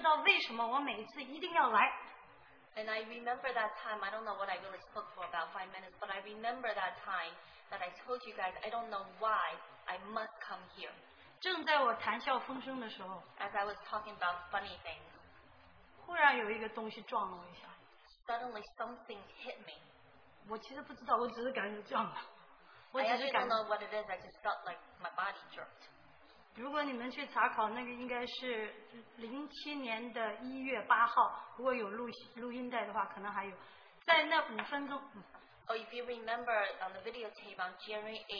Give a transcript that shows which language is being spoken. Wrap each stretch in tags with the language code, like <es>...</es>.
<zh>那我记得我前五分钟的时候谈笑风生，不知道讲什么。其实讲的我唯一记得的就是，我不知道为什么我每次一定要来。And</zh> <en>I remember that time, I don't know what I really spoke for about 5 minutes, but I remember that time that I told you guys, I don't know why I must come here.</en> <zh>正在我谈笑风生的时候,</zh> <en>As I was talking about funny things,</en> <zh>忽然有一个东西撞了我一下,</zh> <en>suddenly something hit me.</en> <zh>我其实不知道, 我只是感觉撞了,</zh> <en>I actually don't know what it is, I just felt like my body jerked.</en> <zh>如果你们去查考, 那个应该是07年的1月8号, 如果有录音带的话, 可能还有, 在那五分钟,</zh> <en>Oh, if you remember on the videotape on January</en>